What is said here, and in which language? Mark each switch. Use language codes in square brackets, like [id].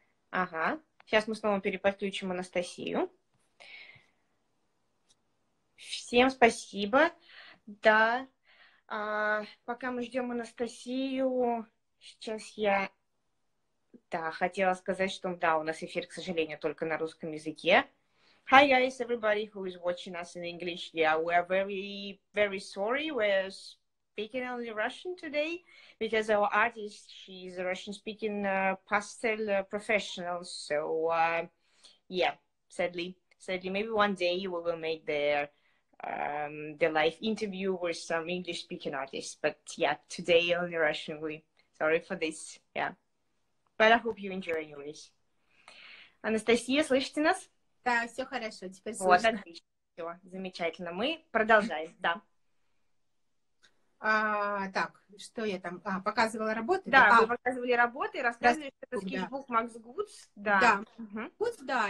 [ru] Ага. Сейчас мы снова переподключим Анастасию. Всем спасибо. Да. Пока мы ждем Анастасию, сейчас я... Да, хотела сказать, что да, у нас эфир, к сожалению, только на русском языке. [en] Hi guys, everybody who is watching us in English. Yeah, we are very, very sorry. We're speaking only Russian today because our artist, she's a Russian-speaking pastel professional. So, yeah, sadly, maybe one day we will make the live interview with some English-speaking artists. But yeah, today only Russian. We sorry for this. Yeah. But I hope you enjoy anyways. [ru] Анастасия, слышите нас? Да, все хорошо, теперь слышно. Вот, отлично, все, замечательно. Мы продолжаем, да. Так, что я там? Показывала работы? Да, вы показывали работы, рассказывали, что это скетчбук Макс Гудс. Да, Гудс, да.